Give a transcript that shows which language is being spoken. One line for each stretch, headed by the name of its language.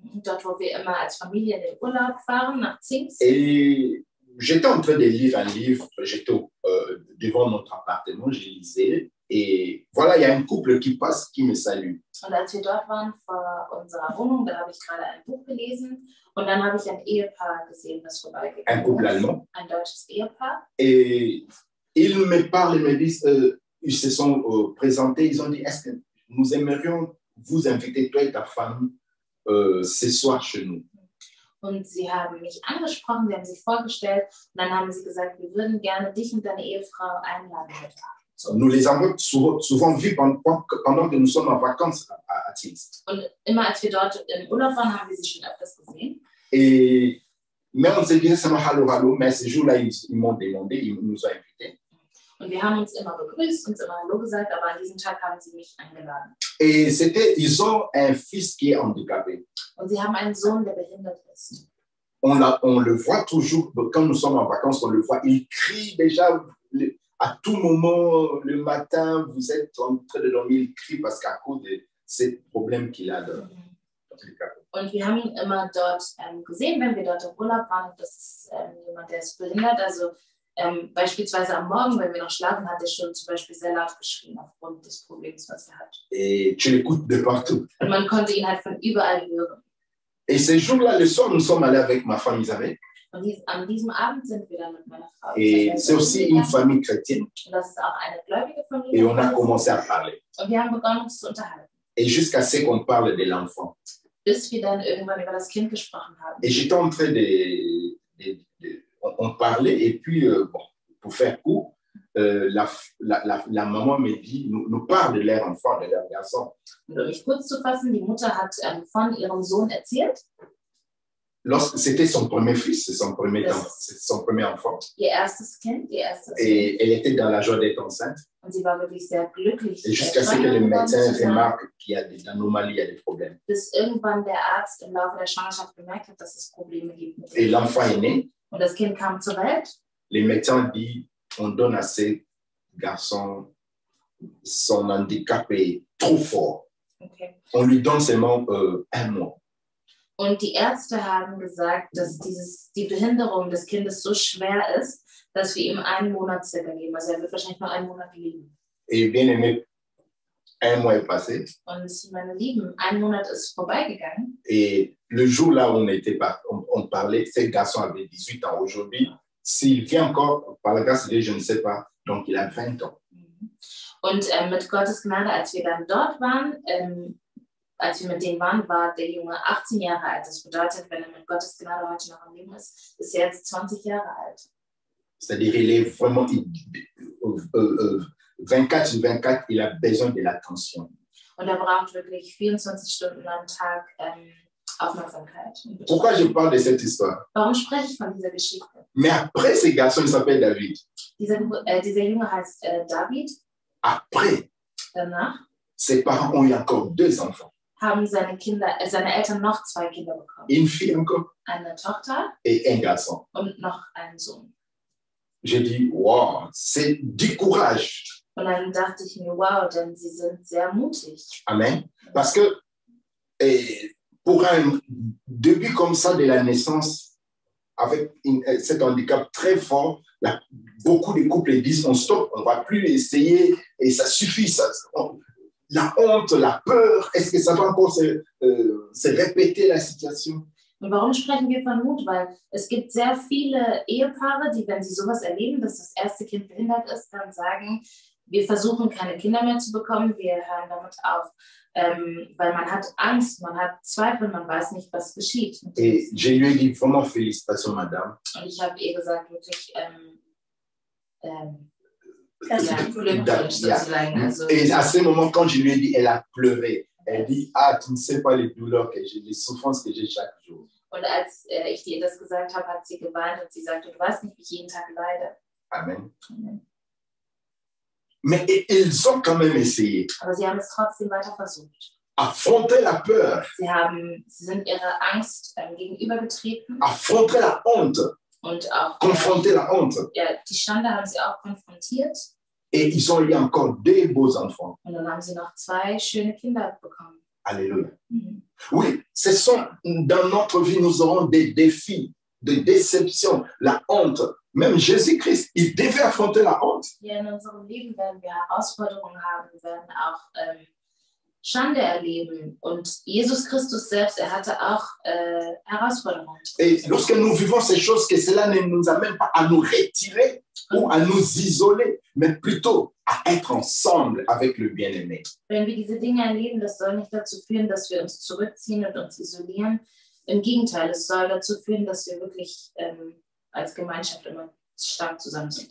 German: Dort, wo wir immer als Familie in den Urlaub fahren, nach Zins.
French: Et j'étais en train de lire un livre, j'étais devant notre appartement, je lisais. Et voilà, il y a un couple qui passe, qui me salue.
German: Und als wir dort waren, vor unserer Wohnung, da habe ich gerade ein Buch gelesen. Und dann habe ich ein Ehepaar gesehen, das vorbeigekommen ist.
French: Ein Couple allemand.
German: Ein deutsches Ehepaar.
French: Et ils me parlent, ils me disent, ils se sont présentés, ils ont dit, est-ce que nous aimerions vous inviter, toi et ta femme, ce soir chez nous.
German: Und sie haben mich angesprochen, sie haben sich vorgestellt, und dann haben sie gesagt, wir würden gerne dich und deine Ehefrau einladen heute.
French: Nous les avons souvent vus pendant que nous sommes en vacances à Zins.
German: Und immer als wir dort im Urlaub waren, haben wir sie schon öfters gesehen.
French: Et mais on s'est dit ça hallo, mais ce jour-là ils m'ont demandé, ils nous ont invités.
German: Und wir haben uns immer begrüßt, uns immer hallo gesagt, aber an diesem Tag haben sie mich eingeladen.
French: Et c'était, ils ont un fils qui est handicapé.
German: Und sie haben einen Sohn, der behindert ist.
French: On le voit toujours quand nous sommes en vacances, on le voit, il crie déjà. À tout moment, le matin, vous êtes en train de dormir, il crie parce qu'à cause de ces problèmes qu'il a dans le cas.
German: Und wir haben ihn immer dort gesehen, wenn wir dort im Urlaub waren. Das ist jemand, der ist behindert. Also beispielsweise am Morgen, wenn wir noch schlafen, hat er schon zum Beispiel sehr laut geschrien aufgrund des Problems, was er hat.
French: Et tu l'écoutes de partout.
German: Und man konnte ihn halt von überall hören.
French: Et ce jour-là, le soir, nous sommes allés avec ma femme Isabelle.
German: Und an diesem Abend sind wir dann mit meiner Frau.
French: Et c'est aussi une famille chrétienne.
German: Und das ist auch eine gläubige Familie.
French: Et on a commencé à parler.
German: Und wir haben begonnen, uns zu unterhalten.
French: Et jusqu'à ce qu'on parle de l'enfant.
German: Bis wir dann irgendwann über das Kind gesprochen haben.
French: Et j'étais en train de on parlait et puis bon, pour faire court, la maman me dit, nous parle de leur enfant, de leur garçon.
German: Um mich kurz zu fassen, die Mutter hat von ihrem Sohn erzählt.
French: Lorsque c'était son premier fils, c'est son premier temps, c'est son premier enfant. Et elle était dans la joie d'être enceinte. Et jusqu'à ce que le médecin remarque qu'il y a des anomalies, il y a des problèmes. Et l'enfant est né.
German: Und das Kind kam zur Welt.
French: Les médecins disent, on donne à ce garçon son handicap est trop fort. Okay. On lui donne seulement un mois.
German: Und die Ärzte haben gesagt, dass die Behinderung des Kindes so schwer ist, dass wir ihm einen Monat circa geben. Also er wird wahrscheinlich nur einen Monat leben.
French: Et bien aimé, un mois est passé.
German: Und meine Lieben, ein Monat ist vorbeigegangen.
French: Et le jour là où on parlait, ce garçon avait 18 ans aujourd'hui. S'il vient encore, par la grâce de Dieu, je ne sais pas, donc il a 20 ans.
German: Und mit Gottes Gnade, als wir dann dort waren, als wir mit denen waren, war der Junge 18 Jahre alt. Das bedeutet, wenn er mit Gottes Gnade heute noch am Leben ist, ist er jetzt 20 Jahre alt.
French: C'est-à-dire, il est vraiment 24/24, il a besoin de l'attention.
German: Und er braucht wirklich 24 Stunden am Tag Aufmerksamkeit.
French: Pourquoi je parle de cette histoire?
German: Warum spreche ich von dieser Geschichte?
French: Mais après, ce garçon, il s'appelle David.
German: Dieser Junge heißt David.
French: Après,
German: danach,
French: ses parents ont eu encore deux enfants.
German: Haben seine Eltern noch zwei Kinder bekommen.
French: Une fille encore.
German: Eine Tochter.
French: Et un garçon.
German: Und noch einen Sohn.
French: J'ai dit, wow, c'est du courage.
German: Und dann dachte ich mir, wow, denn sie sind sehr mutig.
French: Amen. Parce que pour un début comme ça de la naissance, avec cet handicap très fort, beaucoup de couples disent, on stoppe, on ne va plus essayer, et ça suffit, ça. La honte, la peur, est-ce que ça va encore se répéter la situation?
German: Und warum sprechen wir von Mut? Weil es gibt sehr viele Ehepaare, die, wenn sie sowas erleben, dass das erste Kind behindert ist, dann sagen, wir versuchen keine Kinder mehr zu bekommen, wir hören damit auf. Weil man hat Angst, man hat Zweifel, man weiß nicht, was geschieht.
French: Et je lui ai dit vraiment félicitations, madame.
German: Und ich habe ihr gesagt, wirklich,
French: Et à ce moment, quand je lui ai dit, elle a pleuré. Elle dit, ah, tu ne sais pas les douleurs que j'ai, les souffrances que j'ai chaque jour.
German: Und als ich dir das gesagt habe, hat sie geweint und sie sagte, du weißt nicht, wie ich jeden Tag leide.
French: Amen. Mais ils ont quand même essayé.
German: Aber sie haben es trotzdem weiter versucht.
French: Affronter la peur.
German: Sie sind ihrer Angst gegenübergetreten.
French: Affronter la honte.
German: Und auch
French: konfrontiert la honte.
German: Ja, die Schande haben sie auch konfrontiert.
French: Et ils ont eu encore deux beaux enfants.
German: Und dann haben sie noch zwei schöne Kinder bekommen.
French: Alléluia. Oui, ce sont dans notre vie, nous aurons des défis, des déceptions, la honte. Même Jésus-Christ, il devait affronter la honte.
German: Ja, in unserem Leben werden wir Herausforderungen haben, werden auch Schande erleben. Und Jesus Christus selbst, hatte auch Herausforderungen.
French: Et lorsque nous vivons ces choses, que cela ne nous amène pas à nous retirer ou à nous isoler, mais plutôt à être ensemble avec le bien-aimé.
German: Wenn wir diese Dinge erleben, das soll nicht dazu führen, dass wir uns zurückziehen und uns isolieren. Im Gegenteil, es soll dazu führen, dass wir wirklich als Gemeinschaft immer stark zusammen sind.